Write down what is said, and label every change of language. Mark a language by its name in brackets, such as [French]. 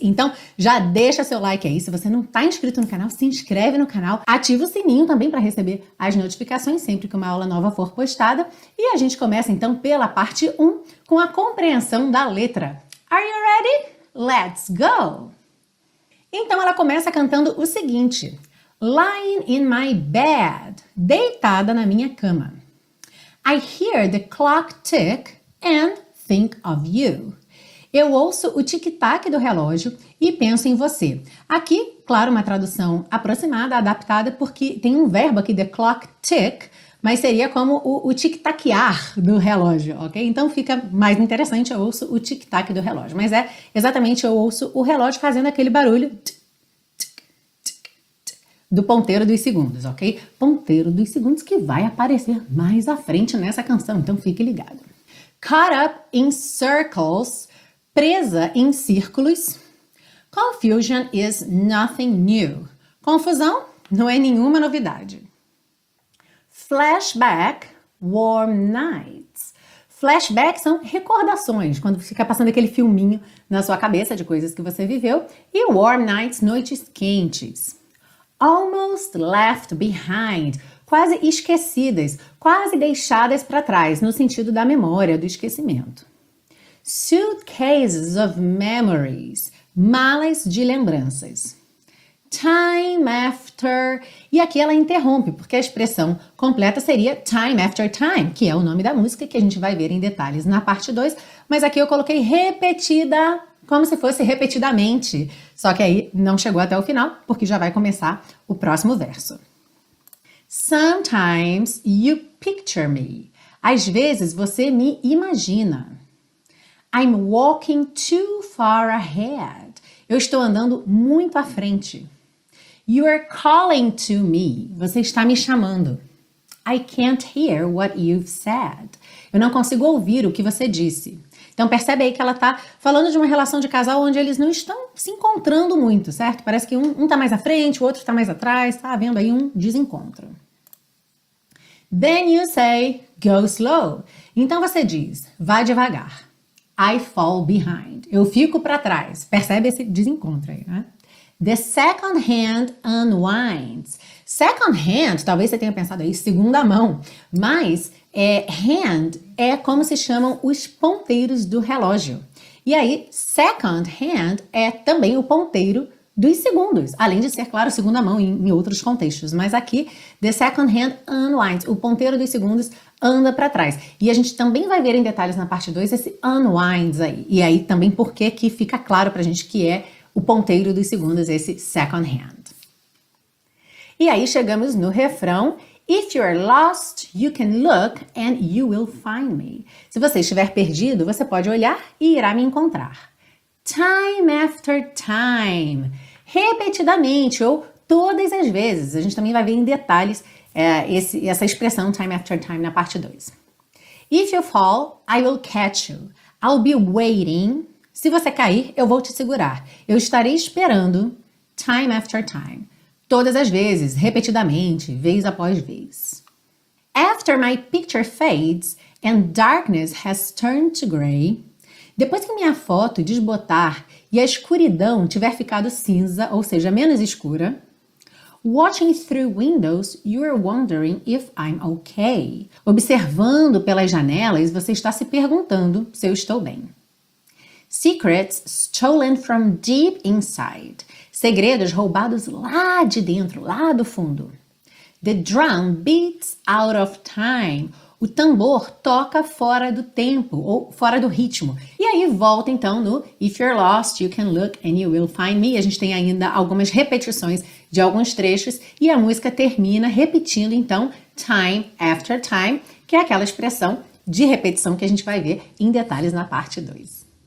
[Portuguese] Então, já deixa seu like aí. Se você não está inscrito no canal, se inscreve no canal, ativa o sininho também para receber as notificações sempre que uma aula nova for postada. E a gente começa então pela parte 1, com a compreensão da letra. [English] Are you ready? Let's go! [Portuguese] Então ela começa cantando o seguinte: [English] Lying in my bed, [Portuguese] deitada na minha cama. [English] I hear the clock tick and think of you. [Portuguese] Eu ouço o tic-tac do relógio e penso em você. Aqui, claro, uma tradução aproximada, adaptada, porque tem um verbo aqui, [English] the clock tick, [Portuguese] mas seria como o tic-taquear do relógio, ok? Então fica mais interessante, eu ouço o tic-tac do relógio. Mas é exatamente, eu ouço o relógio fazendo aquele barulho do ponteiro dos segundos, ok? Ponteiro dos segundos que vai aparecer mais à frente nessa canção, então fique ligado. [English] Caught up in circles, [Portuguese] presa em círculos. [English] Confusion is nothing new. [Portuguese] Confusão não é nenhuma novidade. [English] Flashback, warm nights. [Portuguese] Flashback são recordações, quando fica passando aquele filminho na sua cabeça de coisas que você viveu. E [English] warm nights, [Portuguese] noites quentes. [English] Almost left behind, [Portuguese] quase esquecidas, quase deixadas para trás, no sentido da memória, do esquecimento. [English] Suitcases of memories, [Portuguese] malas de lembranças. [English] Time after. [Portuguese] E aqui ela interrompe, porque a expressão completa seria [English] time after time, [Portuguese] que é o nome da música que a gente vai ver em detalhes na parte 2, mas aqui eu coloquei repetida, como se fosse repetidamente. Só que aí não chegou até o final, porque já vai começar o próximo verso. [English] Sometimes you picture me. [Portuguese] Às vezes você me imagina. [English] I'm walking too far ahead. [Portuguese] Eu estou andando muito à frente. [English] You are calling to me. [Portuguese] Você está me chamando. [English] I can't hear what you've said. [Portuguese] Eu não consigo ouvir o que você disse. Então percebe aí que ela tá falando de uma relação de casal onde eles não estão se encontrando muito, certo? Parece que um tá mais à frente, o outro tá mais atrás, tá havendo aí um desencontro. [English] Then you say, go slow. [Portuguese] Então você diz, vai devagar. [English] I fall behind. [Portuguese] Eu fico para trás. Percebe esse desencontro aí, né? [English] The second hand unwinds. [Portuguese] Second hand, talvez você tenha pensado aí, segunda mão. Mas é, hand é como se chamam os ponteiros do relógio. E aí, second hand é também o ponteiro dos segundos. Além de ser, claro, segunda mão em outros contextos. Mas aqui, [English] the second hand unwinds. [Portuguese] O ponteiro dos segundos anda para trás. E a gente também vai ver em detalhes na parte 2 esse unwinds aí. E aí também porque que fica claro pra gente que é o ponteiro dos segundos, esse second hand. E aí chegamos no refrão. [English] If you're lost, you can look and you will find me. [Portuguese] Se você estiver perdido, você pode olhar e irá me encontrar. [English] Time after time. [Portuguese] Repetidamente ou todas as vezes. A gente também vai ver em detalhes essa expressão [English] time after time [Portuguese] na parte 2. [English] If you fall, I will catch you. I'll be waiting. [Portuguese] Se você cair, eu vou te segurar. Eu estarei esperando [English] time after time. [Portuguese] Todas as vezes, repetidamente, vez após vez. [English] After my picture fades and darkness has turned to gray. [Portuguese] Depois que minha foto desbotar e a escuridão tiver ficado cinza, ou seja, menos escura. [English] Watching through windows, you're wondering if I'm okay. [Portuguese] Observando pelas janelas, você está se perguntando se eu estou bem. [English] Secrets stolen from deep inside. [Portuguese] Segredos roubados lá de dentro, lá do fundo. [English] The drum beats out of time. [Portuguese] O tambor toca fora do tempo ou fora do ritmo. E aí volta então no [English] If you're lost, you can look and you will find me. [Portuguese] A gente tem ainda algumas repetições de alguns trechos e a música termina repetindo então [English] time after time, [Portuguese] que é aquela expressão de repetição que a gente vai ver em detalhes na parte 2.